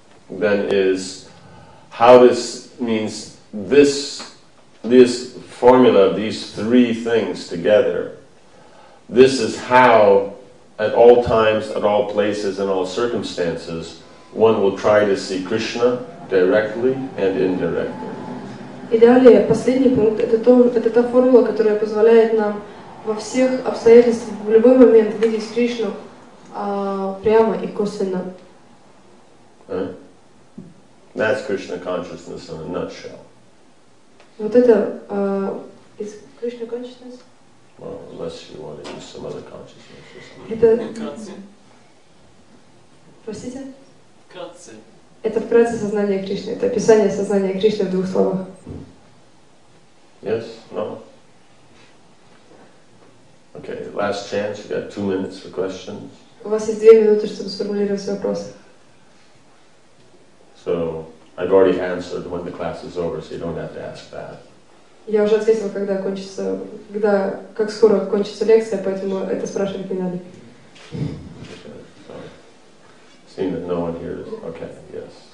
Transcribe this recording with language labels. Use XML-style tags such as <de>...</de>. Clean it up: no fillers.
<en>Then is how this means this formula, these three things together. This is how at all times, at all places, in all circumstances, one will try to see Krishna directly and indirectly.</en> <ru>И далее последний пункт это та формула, которая позволяет нам во всех обстоятельствах в любой момент видеть Кришну прямо и косвенно.</ru> <en>That's Krishna consciousness in a nutshell.</en> <ru>Вот это</ru> <en>is Krishna consciousness? Well, unless you want to use some other consciousness.</en> <ru>Это вкратце. Простите? Это вкратце сознание Кришны. Это описание сознания Кришны в двух словах.</ru> <en>Yes? No? Okay, last chance. You got 2 minutes for questions.</en> <ru>У вас есть 2 минуты, чтобы сформулировать вопрос.</ru> <en>So, I've already answered when the class is over, so you don't have to ask that.</en> <ru>Я уже ответила, когда кончится, когда как скоро кончится лекция, поэтому это спрашивать не надо.</ru> <en>Seeing that no one here is okay, yes.</en>